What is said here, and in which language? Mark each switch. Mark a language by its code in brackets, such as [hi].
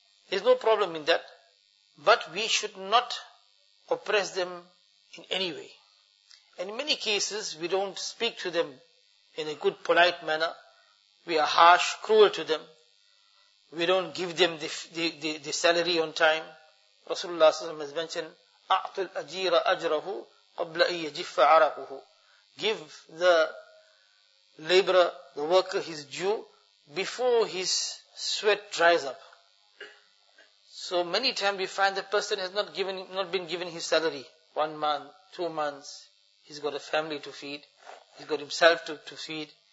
[en] There's no problem in that, but we should not oppress them in any way. And in many cases, we don't speak to them in a good, polite manner. We are harsh, cruel to them. We don't give them the salary on time. Rasulullah SAW has mentioned, [ar] أَعْطُ الْأَجِيرَ أَجْرَهُ قَبْلَ أَن يَجِفَّ عَرَقُهُ. [en] Give the laborer, the worker, his due before his sweat dries up. So many times we find the person has not been given his salary. 1 month, 2 months, he's got a family to feed, he's got himself to feed.